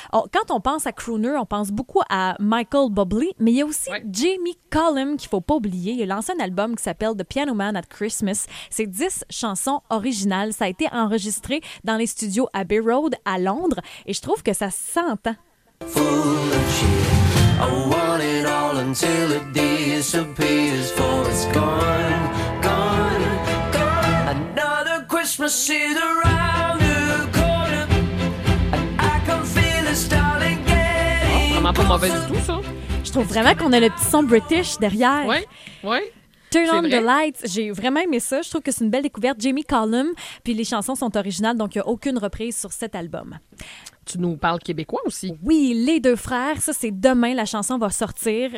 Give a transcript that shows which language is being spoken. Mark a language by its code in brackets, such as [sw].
[fr] Oh, quand on pense à crooner, on pense beaucoup à Michael Bublé, mais il y a aussi ouais. Jamie Cullum qu'il faut pas oublier. Il a lancé un album qui s'appelle The Piano Man at Christmas. C'est 10 chansons originales. Ça a été enregistré dans les studios Abbey Road à Londres et je trouve que ça s'entend. [en] Full of cheer, I want it all until it disappears, for it's gone, gone, gone. Another Christmas is around the corner, and I can feel it starting again. [fr] Oh, vraiment pas mauvais du tout, ça. Je trouve vraiment qu'on a le petit son british derrière. Oui, oui. Turn on the lights, j'ai vraiment aimé ça. Je trouve que c'est une belle découverte. Jamie Cullum, puis les chansons sont originales, donc il n'y a aucune reprise sur cet album. Tu nous parles québécois aussi. Oui, Les Deux Frères, ça c'est demain, la chanson va sortir.